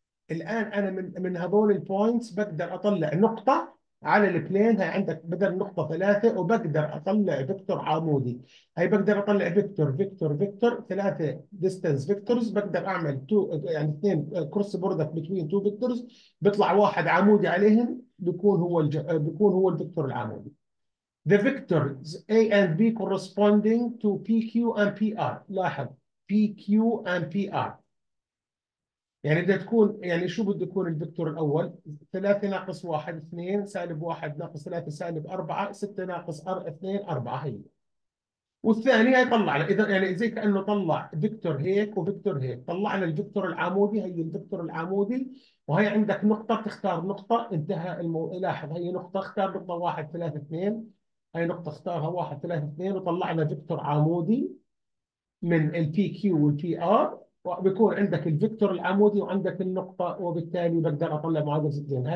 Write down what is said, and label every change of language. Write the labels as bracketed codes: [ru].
[ar] الآن أنا من هذول البوينتس بقدر أطلع نقطة على البلين، هاي عندك بدل نقطة ثلاثة، وبقدر أطلع فيكتور عمودي، هاي بقدر أطلع فيكتور ثلاثة ديستنس فيكتورز، بقدر أعمل تو يعني اثنين [en] cross product between two vectors, [ar] بيطلع واحد عمودي عليهم بيكون هو الفيكتور العمودي. [en] The vectors A and B corresponding to PQ and PR. [ar] لاحظ [en] PQ and PR. [ar] يعني بدها تكون، يعني شو بده يكون الفيكتور الأول؟ 3 ناقص 1 2 سالب 1 ناقص 3 سالب 4 6 ناقص 2 4 هي. والثاني هي طلع، إذا يعني زي كأنه طلع فيكتور هيك وفيكتور هيك، طلعنا الفيكتور العمودي، هي الفيكتور العمودي، وهي عندك نقطة تختار نقطة انتهى لاحظ هي نقطة اختار نقطة 1 3 2، هاي نقطة اختارها 1 3 2 وطلعنا فيكتور عمودي من البي كيو والبي ار، وبكون عندك الفيكتور العمودي وعندك النقطة، وبالتالي بقدر اطلع معادلة الزين.